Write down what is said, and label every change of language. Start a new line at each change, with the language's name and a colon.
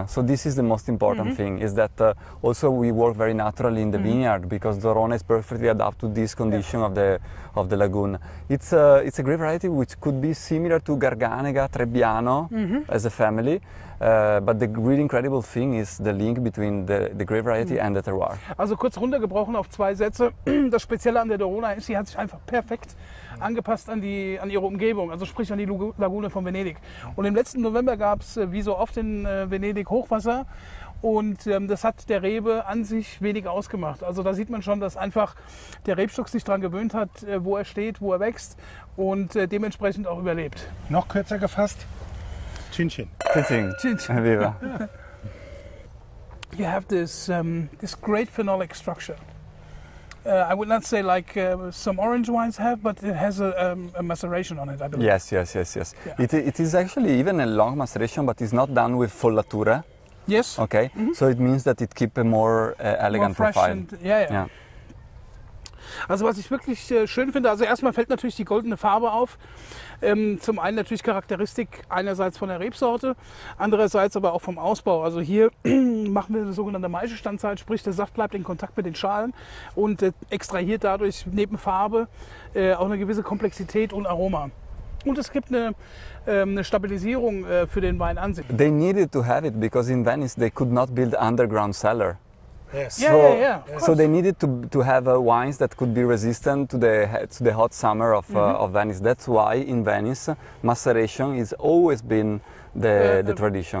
English: So this is the most important thing, is that also we work very naturally in the vineyard, because Dorona is perfectly adapted to this condition of the lagoon. It's a grape variety which could be similar to Garganega, Trebbiano, as a family. But the really incredible thing is the link between the grape variety and the terroir.
German: Also kurz runtergebrochen auf zwei Sätze. Das Spezielle an der Dorona ist, sie hat sich einfach perfekt angepasst an die an ihre Umgebung, also sprich an die Lagune von Venedig. Und im letzten November gab es, wie so oft in Venedig, Hochwasser. Und das hat der Rebe an sich wenig ausgemacht. Also da sieht man schon, dass einfach der Rebstock sich daran gewöhnt hat, wo er steht, wo er wächst und dementsprechend auch überlebt. Noch kürzer gefasst, Chin-Chin. Chin-Chin.
English: You have this this great phenolic structure. I would not say like some orange wines have, but it has a maceration on it, I believe. Yes. Yeah. It is actually even a long maceration, but it's not done with follatura. Yes. Okay. Mm-hmm. So it means that it keeps a more elegant more fresh profile. And, yeah.
German: Also was ich wirklich schön finde, also erstmal fällt natürlich die goldene Farbe auf. Zum einen natürlich Charakteristik einerseits von der Rebsorte, andererseits aber auch vom Ausbau. Also hier machen wir eine sogenannte Maischestandzeit, sprich der Saft bleibt in Kontakt mit den Schalen und extrahiert dadurch neben Farbe auch eine gewisse Komplexität und Aroma. Und es gibt eine Stabilisierung für den Wein an sich.
English: They needed to have it because in Venice they could not build underground cellar. Yes. So they needed to have wines that could be resistant to the hot summer of Venice. That's why in Venice maceration has always been the tradition.